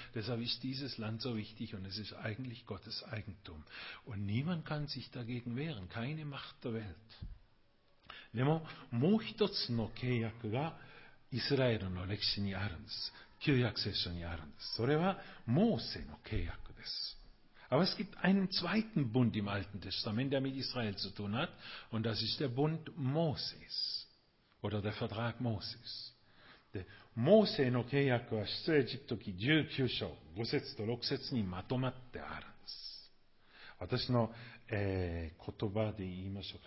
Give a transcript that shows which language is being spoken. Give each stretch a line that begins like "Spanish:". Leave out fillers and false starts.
German: Deshalb ist dieses Land so wichtig und es ist eigentlich Gottes Eigentum. Und niemand kann sich dagegen wehren, keine Macht der Welt.
Japanese: でも、もう一つの契約がイスラエルの歴史にあるんです。旧約聖書にあるんです。それはモーセの契約です。
German: Aber es gibt einen zweiten Bund im Alten Testament, der mit Israel zu tun hat, und das ist der Bund Moses, oder der Vertrag Moses.
Japanese: で、モーセの契約は出エジプト記19章5節と6節にまとまってあるんです。私の、言葉で言いましょう。